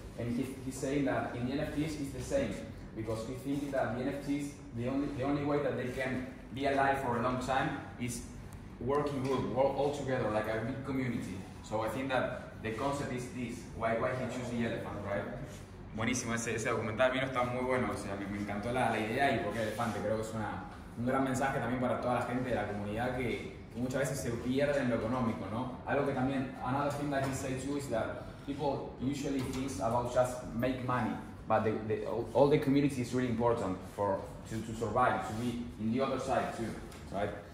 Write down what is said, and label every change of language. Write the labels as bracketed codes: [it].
[en] And he's saying that in the NFTs it's the same, because he thinks that the NFTs, the only way that they can be alive for a long time is working group, work all together, like a big community. So I think that the concept is this, why he chose the elephant, right? [es] Buenísimo, ese documental vino, está muy bueno, o sea, me encantó la idea y por qué elefante, creo que es un gran mensaje también para toda la gente de la comunidad que muchas veces se pierde en lo económico, ¿no? Algo que también, [en] another thing that he said too is that people usually think about just make money, but all the community is really important for to survive, to be in the other side too, right?